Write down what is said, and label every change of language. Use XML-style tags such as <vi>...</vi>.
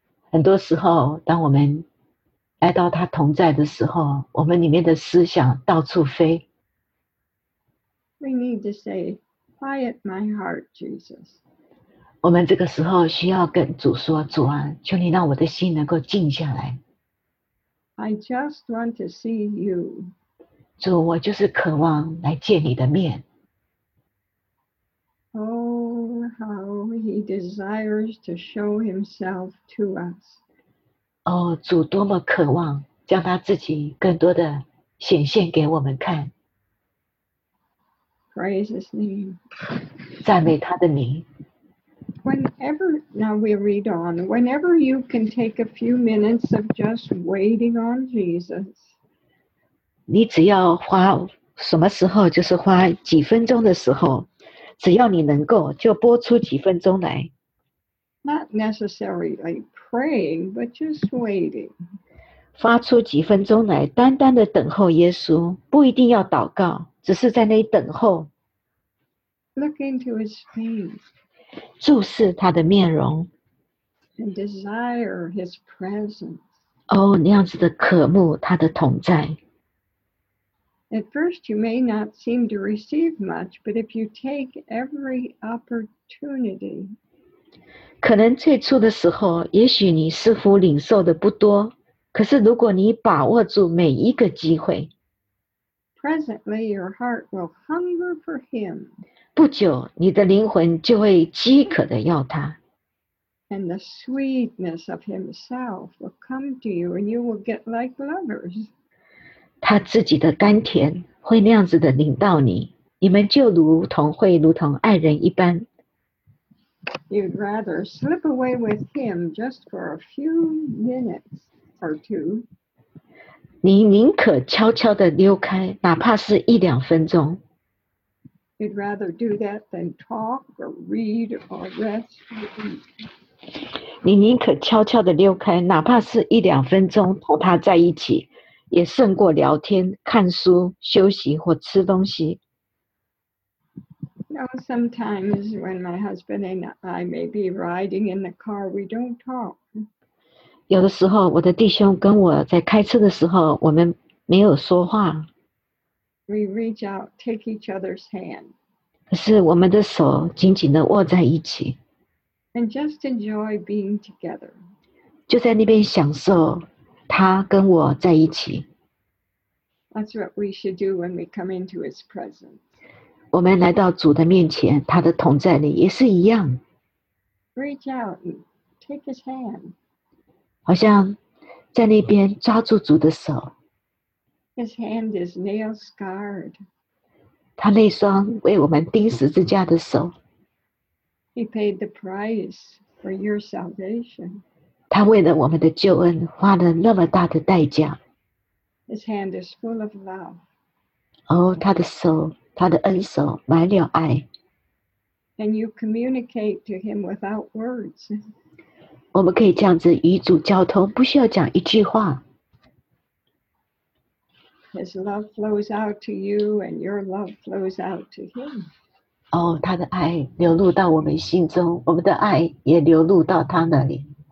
<zh>很多时候，当我们来到他同在的时候，我们里面的思想到处飞。</zh> <en>We need to say, quiet my heart, Jesus.</en> <zh>我们这个时候需要跟主说，主啊，求你让我的心能够静下来。</zh> <en>I just want to see you.</en> <zh>主，我就是渴望来见你的面。</zh> <en>Oh, how he desires to show himself to us.</en> <zh>哦，主多么渴望将他自己更多的显现给我们看。</zh> <en>Praise his name.</en> <zh>赞美他的名。</zh> <en>Now we read on. Whenever you can take a few minutes of just waiting on Jesus.</en> <zh>你只要花什么时候，就是花几分钟的时候，只要你能够就拨出几分钟来。</zh> <en>Not necessarily praying, but just waiting.</en> <zh>发出几分钟来，单单的等候耶稣，不一定要祷告，只是在那里等候。</zh> <en>Look into his face.</en> <zh>注视他的面容。</zh> <en>And desire his presence.</en> <zh>哦，那样子的渴慕他的同在。</zh> <en>At first, you may not seem to receive much, but if you take every opportunity,</en> <zh>可能最初的时候，也许你似乎领受的不多，可是如果你把握住每一个机会，</zh> <en>presently, your heart will hunger for him.</en> <zh>不久，你的灵魂就会饥渴的要他。</zh> <en>And the sweetness of himself will come to you, and you will get like lovers.</en> <zh>他自己的甘甜会那样子的领到你，你们就如同会如同爱人一般。</zh> <en>You'd rather slip away with him just for a few minutes or two.</en> <zh>你宁可悄悄的溜开，哪怕是一两分钟。</zh> <en>You'd rather do that than talk or read or rest with him.</en> <zh>你宁可悄悄的溜开，哪怕是一两分钟和他在一起。也胜过聊天、看书、休息或吃东西。</zh> <en>No, sometimes when my husband and I may be riding in the car, we don't talk.</en> <zh>有的时候，我的弟兄跟我在开车的时候，我们没有说话。</zh> <en>We reach out, take each other's hand.</en> <zh>可是我们的手紧紧的握在一起。</zh> <en>And just enjoy being together.</en> <zh>就在那边享受。他跟我在一起。</zh> <en>That's what we should do when we come into his presence.</en> <zh>我们来到主的面前，他的同在里也是一样。</zh> <en>Reach out, take his hand.</en> <zh>好像在那边抓住主的手。</zh> <en>His hand is nail scarred.</en> <zh>他那双为我们钉十字架的手。</zh> <en>He paid the price for your salvation.</en> <zh>他为了我们的救恩花了那么大的代价。</zh> <en>His hand is full of love.</en> <zh>哦，他的手，他的恩手满了爱。</zh> <en>And you communicate to him without words.</en> <zh>我们可以这样子与主交通，不需要讲一句话。</zh> <en>His love flows out to you, and your love flows out to him.</en> <zh>哦，他的爱流露到我们心中，我们的爱也流露到他那里。</zh>